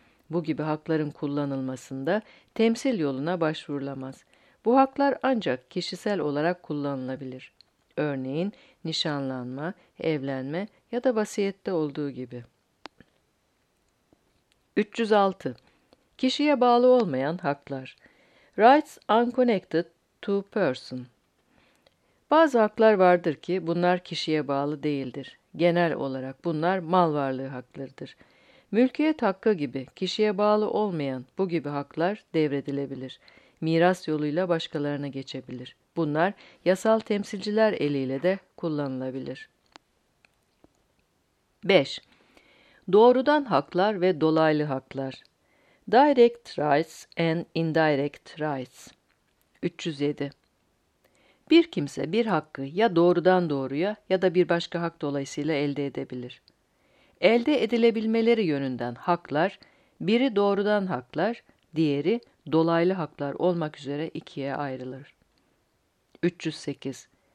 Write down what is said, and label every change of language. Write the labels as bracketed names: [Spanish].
[Turkish] Bu gibi hakların kullanılmasında temsil yoluna başvurulamaz. Bu haklar ancak kişisel olarak kullanılabilir. Örneğin nişanlanma, evlenme ya da vasiyette olduğu gibi. 306. Kişiye bağlı olmayan haklar. [English] Rights unconnected to person. [Turkish] Bazı haklar vardır ki bunlar kişiye bağlı değildir. Genel olarak bunlar mal varlığı haklarıdır. Mülkiyet hakkı gibi kişiye bağlı olmayan bu gibi haklar devredilebilir. miras yoluyla başkalarına geçebilir. Bunlar yasal temsilciler eliyle de kullanılabilir. 5. Doğrudan haklar ve dolaylı haklar. [English] Direct rights and indirect rights. [Turkish] 307. Bir kimse bir hakkı ya doğrudan doğruya ya da bir başka hak dolayısıyla elde edebilir. Elde edilebilmeleri yönünden haklar, biri doğrudan haklar, diğeri dolaylı haklar olmak üzere ikiye ayrılır. 308.